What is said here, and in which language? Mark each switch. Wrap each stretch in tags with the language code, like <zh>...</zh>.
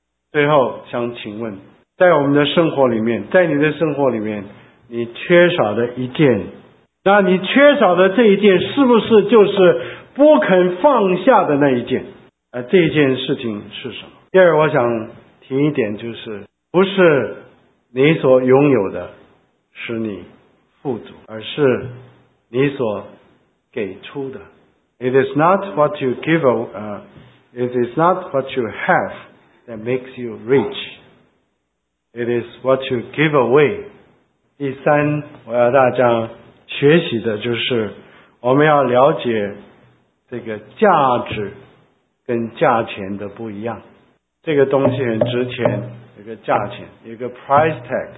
<zh>最后想请问，在我们的生活里面，在你的生活里面，你缺少的一件，那你缺少的这一件是不是就是不肯放下的那一件？这一件事情是什么？第二，我想提一点，就是不是你所拥有的使你富足，而是你所给出的。</zh> <en>It is not what you give, it is not what you have that makes you rich. It is what you give away.</en> <zh>第三，我要大家学习的就是，我们要了解这个价值跟价钱的不一样。这个东西很值钱，有个价钱，有个 price tag。</zh>